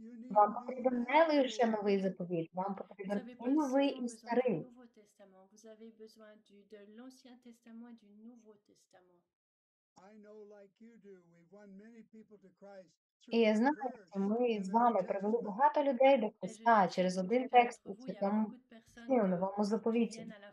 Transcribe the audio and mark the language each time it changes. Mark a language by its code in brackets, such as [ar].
[uk] Вам потрібен не лише новий заповіт, вам потрібен і новий, і старий. [fr] Vous avez besoin de l'Ancien Testament et du Nouveau Testament. [en] I know like you do, we've won many people to Christ. [uk] І я знаю, що ми з вами привели багато людей до Христа через один текст у цьому новому заповіті.